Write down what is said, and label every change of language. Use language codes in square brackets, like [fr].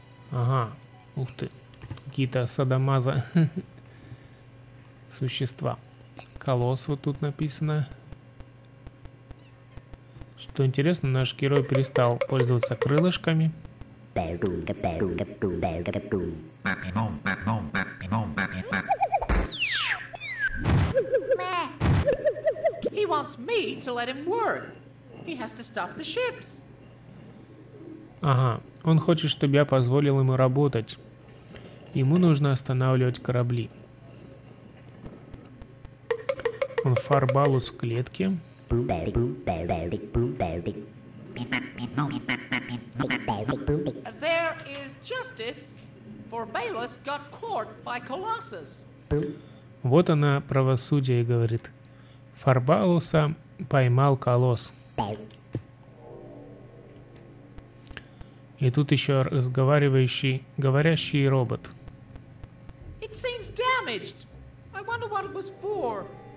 [ru] Ага, ух ты, какие-то садомаза существа. Колосс вот тут написано. Что интересно, наш герой перестал пользоваться крылышками. [en] He wants me to let him work. He has to stop the ships. [ru] Ага, он хочет, чтобы я позволил ему работать. Ему нужно останавливать корабли. Он фарбалус в клетке. [en] There is justice, for Balus got caught by Colossus. [ru] Вот она, правосудие, говорит. Фарбалуса поймал Колосс. И тут еще разговаривающий, говорящий робот. [en] It seems damaged. I wonder what it was for.